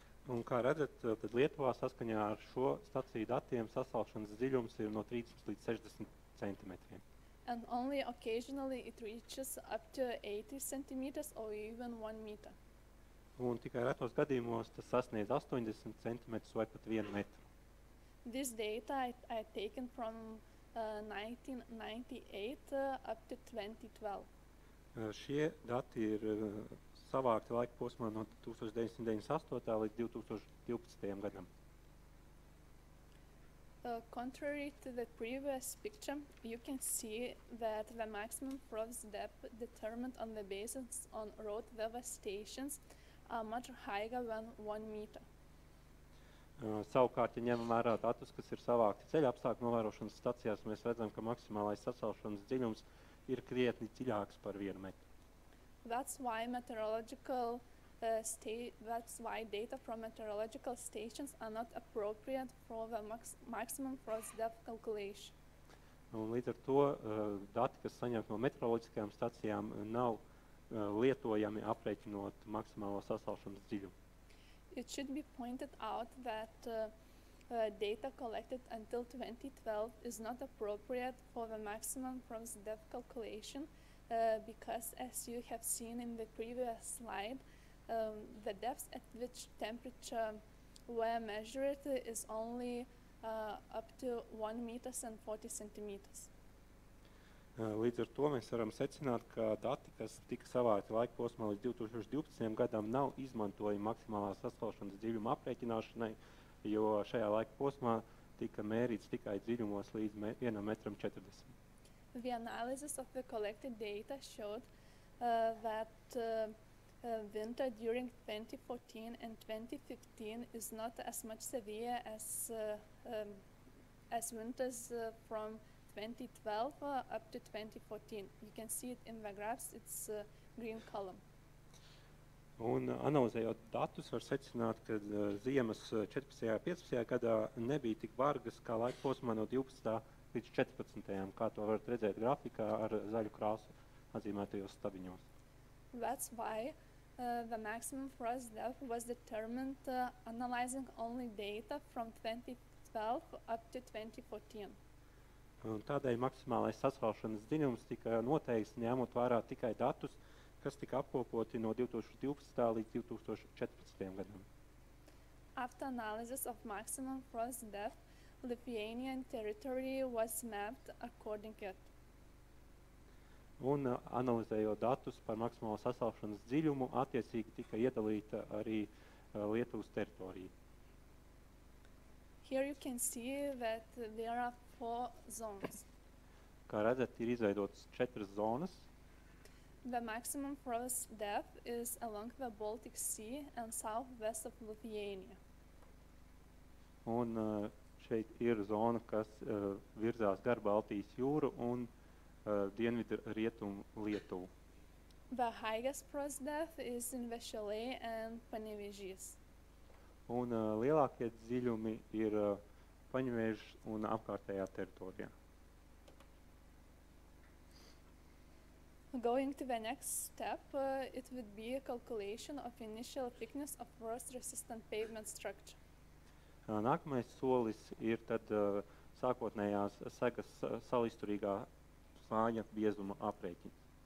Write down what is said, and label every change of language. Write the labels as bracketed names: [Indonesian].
[Latvian] Un kā redzat, tad Lietuvā saskaņā ar šo staciju datiem sasalšanas dziļums ir no 30 līdz 60 centimetriem. [English] And only occasionally it reaches up to 80 centimeters or even 1 meter. [Latvian] Un tikai retos gadījumos tas sasniedz 80 centimetrus vai pat 1 metru. [English] This data I taken from 1998 up to 2012. [Latvian] Šie dati ir savākti laika posmā no 1998. Līdz 2012. Gadam. [English] Contrary to the previous picture, you can see that the maximum frost depth determined on the basis on road weather stations are much higher than 1 meter. [Latvian] Savukārt, ja ņemam vērā datus, kas ir savākti ceļa apstākļu novērošanas stacijās, mēs redzam, ka maksimālais sasalšanas dziļums ir krietni dziļāks par 1 metru. [English] That's why data from meteorological stations are not appropriate for the maximum frost depth calculation. [Latvian] Un līdz ar to dati, kas saņemt no meteoroloģiskajām stacijām, nav lietojami aprēķinot maksimālo sasalšanas dziļumu. [English] It should be pointed out that data collected until 2012 is not appropriate for the maximum from the depth calculation because, as you have seen in the previous slide, the depth at which temperature were measured is only up to 1 meter and 40 centimeters. [Latvian] Līdz ar to mēs varam secināt, ka dati, kas tika savākti laika posmā līdz 2012. Gadam, nav izmantojami maksimālās asfaltošanas dziļuma aprēķināšanai, jo šajā laika posmā tika mērīts tikai dziļumos līdz 1,40 m. [English] The analysis of the collected data showed that winter during 2014 and 2015 is not as much severe as winters from 2012 up to 2014. You can see it in the graphs, it's a green column. [Latvian] Un analizējot datus, var secināt, ka ziemas 14. un 15. Gadā nebija tik bargas kā laikposmā no 12. Līdz 14. Kā to varat redzēt grafikā ar zaļu krāsu atzīmētajos stabiņos. [English] That's why the maximum frost depth was determined analyzing only data from 2012 up to 2014. [Latvian] Un tādēļ maksimālais sasvalšanas dziļums tika noteikts, ņemot vērā tikai datus, kas tika apkopoti no 2012. Līdz 2014. Gadam. [English] After analysis of maximum frost depth, Lithuanian territory was mapped according it. [Latvian] Un analizējot datus par maksimālo sasvalšanas dziļumu, attiecīgi tika iedalīta arī Lietuvas teritorija. [English] Here you can see that there are four zones. [Latvian] Kā redzat, ir izveidotas četras zonas. [English] The maximum frost depth is along the Baltic Sea and southwest of Lithuania. [Latvian] Un šeit ir zona, kas virzās gar Baltijas jūru un dienvidu rietumu Lietuvu. [English] The highest frost depth is in the Šiauliai and Panevėžys. [Latvian] Un lielākie dziļumi ir Panevėžys un apkārtējā teritorijā. [English] Going to the next step, it would be a calculation of initial thickness of frost-resistant pavement structure. [Latvian] Nākamais solis ir tad sākotnējās segas salisturīgā slāņa biezuma aprēķins.